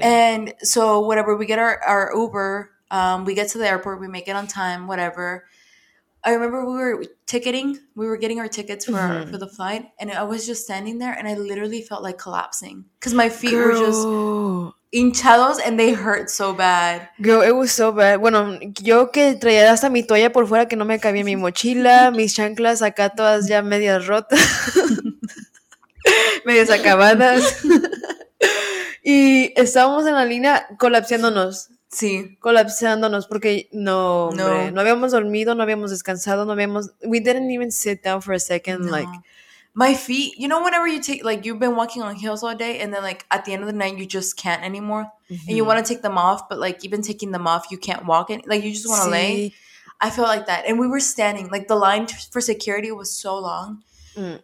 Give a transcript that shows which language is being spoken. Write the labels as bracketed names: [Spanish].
[English] And so whatever, we get our Uber, we get to the airport, we make it on time, whatever. I remember we were getting our tickets for for the flight, and I was just standing there and I literally felt like collapsing because my feet Girl. were just hinchados and they hurt so bad. Girl, it was so bad. [Spanish] Bueno, yo que traía hasta mi toalla por fuera que no me cabía en mi mochila, mis chanclas acá todas ya medias rotas, medias acabadas. Y estábamos en la línea colapsándonos. Sí. Colapsándonos porque no habíamos dormido, no habíamos descansado, no habíamos... [English] We didn't even sit down for a second, no. Like... My feet, you know, whenever you take, like, you've been walking on heels all day, and then, like, at the end of the night, you just can't anymore, mm-hmm. and you want to take them off, but, like, even taking them off, you can't walk, any- like, you just want to lay. I felt like that, and we were standing, like, the line for security was so long, Mm-mm.